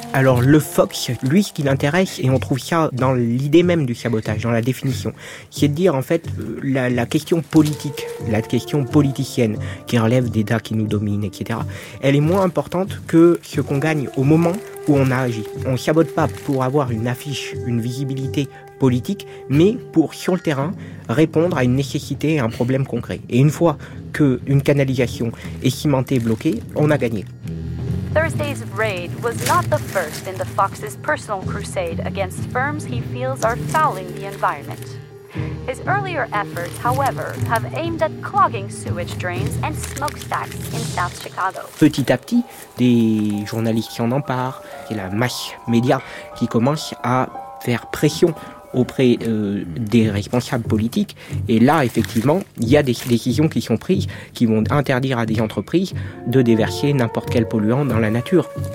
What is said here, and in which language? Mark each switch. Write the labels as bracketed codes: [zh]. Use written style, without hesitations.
[fr] Alors le Fox, lui, ce qui l'intéresse, et on trouve ça dans l'idée même du sabotage, dans la définition, c'est de dire en fait la question politique, la question politicienne qui relève des dates qui nous dominent, etc., elle est moins importante que ce qu'on gagne au moment où on a agi. On ne sabote pas pour avoir une affiche, une visibilité politique, mais pour, sur le terrain, répondre à une nécessité et un problème concret. Et une fois qu'une canalisation est cimentée et bloquée, on a gagné. [en] Thursday's raid was not the first in the Fox's personal crusade against firms he feels are fouling the environment. His earlier efforts, however, have aimed at clogging sewage drains and smokestacks in South Chicago. [fr] Petit à petit, des journalistes s'en emparent, c'est la masse média qui commence à faire pression auprès des responsables politiques. Et là, effectivement, il y a des décisions qui sont prises qui vont interdire à des entreprises de déverser n'importe quel polluant dans la nature.